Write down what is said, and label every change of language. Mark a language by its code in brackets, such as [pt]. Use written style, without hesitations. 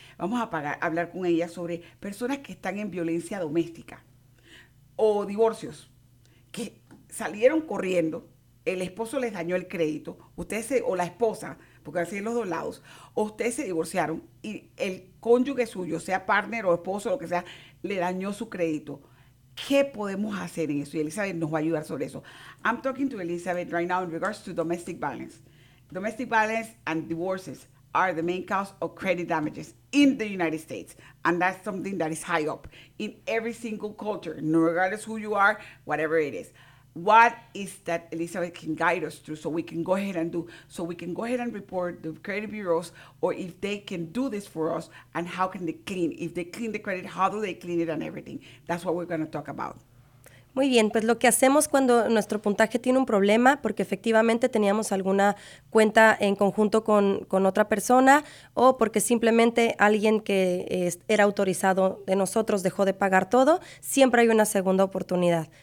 [es] Vamos a hablar con ella sobre personas que están en violencia doméstica o divorcios, que salieron corriendo, el esposo les dañó el crédito, o la esposa, porque así en los dos lados, o ustedes se divorciaron y el cónyuge suyo, sea partner o esposo, lo que sea, le dañó su crédito. ¿Qué podemos hacer en eso? Y Elizabeth nos va a ayudar sobre eso. [en] I'm talking to Elizabeth right now in regards to domestic violence. Domestic violence and divorces are the main cause of credit damages in the United States. And that's something that is high up in every single culture, no regardless who you are, whatever it is. What is that Elizabeth can guide us through so we can go ahead and report the credit bureaus, or if they can do this for us, and how can they clean? If they clean the credit, how do they clean it and everything? That's what we're going to talk about. [es] Muy bien, pues lo que hacemos cuando nuestro puntaje tiene un problema, porque efectivamente teníamos alguna cuenta en conjunto con otra persona, o porque simplemente alguien que era autorizado de nosotros dejó de pagar todo, siempre hay una segunda oportunidad.